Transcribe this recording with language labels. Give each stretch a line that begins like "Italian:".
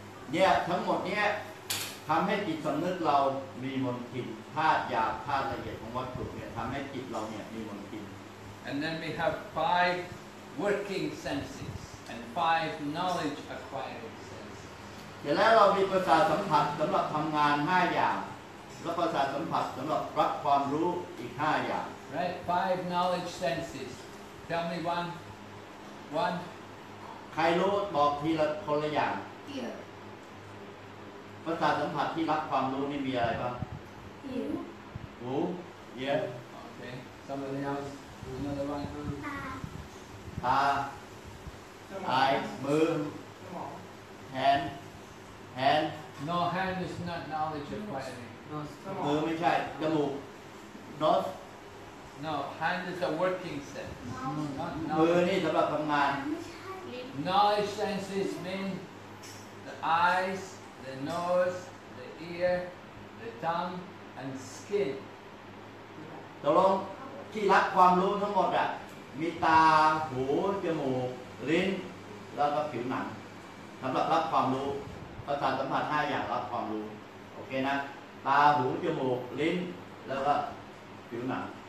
Thai: เนี่ยทั้งหมดเนี่ยทำให้จิตสำนึกเรามีมลทินธาตุหยาบธาตุละเอียดของวัตถุเนี่ยทำให้จิตเราเนี่ยมีมลทิน
English: And then we have five working senses and five knowledge acquired.
Thai: เดี๋ยวแล้วเรามีประสาทสัมผัสสำหรับทำงาน5อย่างแล้วประสาทสัมผัสสำหรับรับความรู้อีก5อย่าง
English: right five knowledge senses tell me one
Thai: ใครรู้บอกทีละคนละอย่าง เห็น ประสาทสัมผัสที่รับความรู้นี่มีอะไรบ้าง เห็น หู
English: yes okay somebody else another one too
Thai: ตาไอมือ สมอง แขน
English: Hand? No, hand is not knowledge acquiring. Nose.
Thai: มือไม่ใช่จมูก
English: Nose? No, hand is a working sense.
Thai: มือนี่สำหรับทำงาน
English: Knowledge senses mean the eyes, the nose, the ear, the tongue, and skin.
Thai: ตกลงที่รับความรู้ทั้งหมดอ่ะมีตาหูจมูกลิ้นแล้วก็ผิวหนังสำหรับรับความรู้ประสาทสัมผัส5อย่างรับความรู้โอเคนะตาหูจมูกลิ้นแล้วก็ผิวหนัง